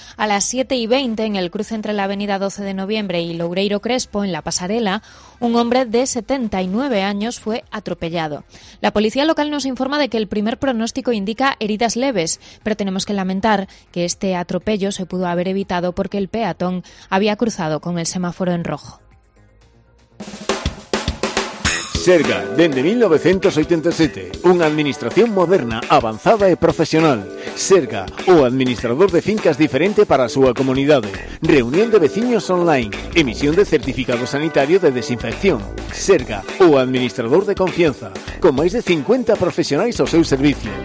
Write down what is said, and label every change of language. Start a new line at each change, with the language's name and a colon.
Spanish: A las 7:20, en el cruce entre la avenida 12 de Noviembre y Loureiro Crespo, en la pasarela, un hombre de 79 años fue atropellado. La policía local nos informa de que el primer pronóstico indica heridas leves, pero tenemos que lamentar que este atropello se pudo haber evitado porque el peatón había cruzado con el semáforo en rojo.
Galician: Serga, dende 1987, unha administración moderna, avanzada e profesional. Serga, o administrador de fincas diferente para a súa comunidade. Reunión de veciños online, emisión de certificado sanitario de desinfección. Serga, o administrador de confianza, con máis de 50 profesionais ao seu servicio.